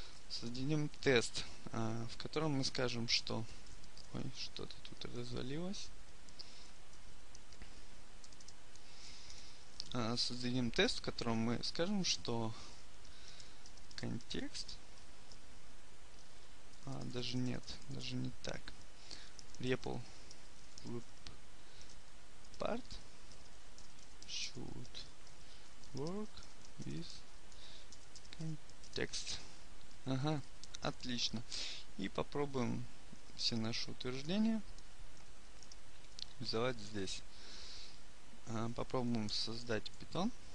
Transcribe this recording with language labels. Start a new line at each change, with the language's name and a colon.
Russian: Создадим тест, в котором мы скажем, что... Ой, что-то тут развалилось. Создадим тест, в котором мы скажем, что контекст... даже нет, даже не так.
English: Repl loop part should work with context.
Russian: Ага, отлично. И попробуем все наши утверждения реализовать здесь. Попробуем создать питон.